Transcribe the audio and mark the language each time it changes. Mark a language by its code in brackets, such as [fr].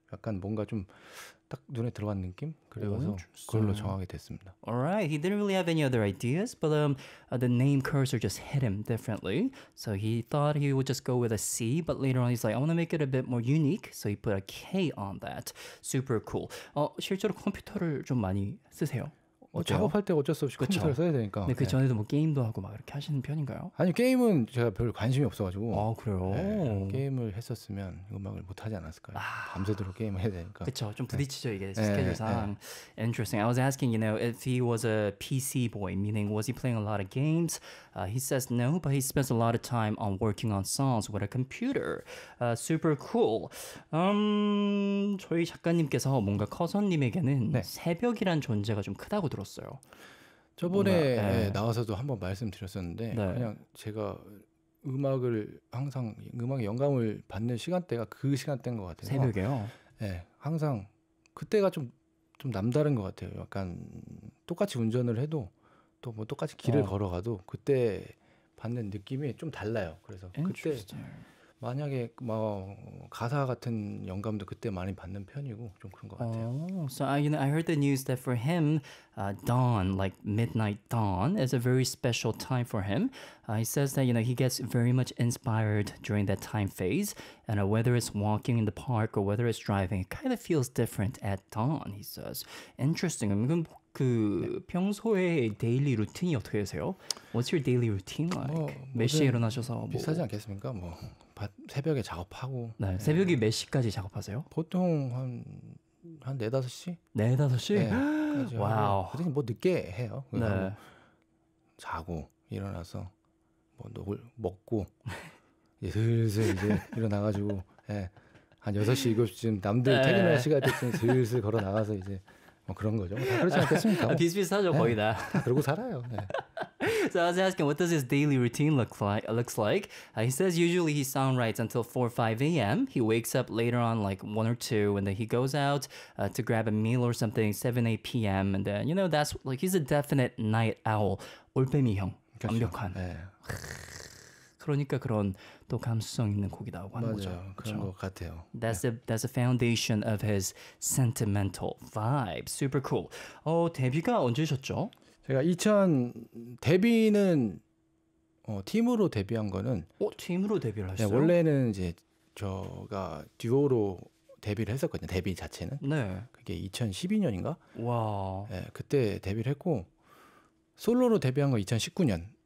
[ko] 약간 뭔가 좀 딱 눈에 들어간 느낌? 그래서 그걸로 정하게 됐습니다. [en] Alright, he didn't really have any other ideas, but the name Cursor just hit him differently. So he thought he would just go with a C, but later on he's like, I want to make it a bit more unique, so he put a K on that. Super cool. [ko] 실제로 컴퓨터를 좀 많이 쓰세요? 어때요? 작업할 때 어쩔 수 없이 그쵸? 컴퓨터를 써야 되니까. 근데 그 전에도 네. 뭐 게임도 하고 막 이렇게 하시는 편인가요? 아니 게임은 제가 별 관심이 없어가지고. 아 그래요. 네, 게임을 했었으면 음악을 못 하지 않았을까요? 아, 밤새도록 게임을 해야 되니까. 그렇죠. 좀 부딪히죠 네. 이게 네, 스케줄상. [en] 네. Interesting. I was asking, you know, if he was a PC boy, meaning was he playing a lot of games? He says no, but he spends a lot of time on working on songs with a computer. Super cool. [ko] 저희 작가님께서 뭔가 커서님에게는 네. 새벽이란 존재가 좀 크다고 들어. 어요 저번에 뭔가, 예. 나와서도 한번 말씀드렸었는데 네. 그냥 제가 음악을 항상 음악에 영감을 받는 시간대가 그 시간대인 것 같아요. 새벽에요? 예, 항상 그때가 좀 남다른 것 같아요. 약간 똑같이 운전을 해도 또 뭐 똑같이 길을 걸어가도 그때 받는 느낌이 좀 달라요. 그래서 그때 만약에 뭐 가사 같은 영감도 그때 많이 받는 편이고 좀 그런 것 같아요. [en] So I, you know, I heard the news that for him, dawn, like midnight dawn, is a very special time for him. He says that you know he gets very much inspired during that time phase, and whether it's walking in the park or whether it's driving, it kind of feels different at dawn. He says, interesting. [ko] 그럼 그 네. 평소에 데일리 루틴이 어떻게 되세요? [en] What's your daily routine like? [ko] 몇 시에 일어나셔서 뭐 비슷하지 않겠습니까? 뭐 새벽에 작업하고 네, 새벽에 네. 몇 시까지 작업하세요? 보통 한 한 4-5시? 4-5시? 네, 와우. 그래서 뭐 늦게 해요. 네. 자고 일어나서 뭐 놀 먹고 이제 슬슬 이제 일어나 가지고 예. 네, 한 6시 7시쯤 남들 네. 퇴근할 시간 때쯤 슬슬 걸어 나가서 이제 뭐 그런 거죠. 다 그렇지 않겠습니까? 뭐. 비슷비슷하죠, 네, 거의 다. 다 그러고 살아요. 네. [en] So I was asking, what does his daily routine look like? Looks like he says usually he songwrites until 4 or 5 a.m. He wakes up later on like 1 or 2 and then he goes out to grab a meal or something 7, 8 p.m. And then, you know, that's like he's a definite night owl. [ko] 올빼미 형, 그렇죠. 완벽한. 네. 그러니까 그런 또 감수성 있는 곡이라고 하는 맞아요. 거죠. 맞아요. 그런 것 같아요. [en] That's, yeah. the, that's the foundation of his sentimental vibe. Super cool. [ko] 어, 데뷔가 언제셨죠? 제가 데뷔는 팀으로 데뷔한 거는 팀으로 데뷔를 하셨어요? 네, 원래는 이제 저가 듀오로 데뷔를 했었거든요. 데뷔 자체는. 네. 그게 2012년인가? 와. 네, 그때 데뷔를 했고 솔로로 데뷔한 거 2019년.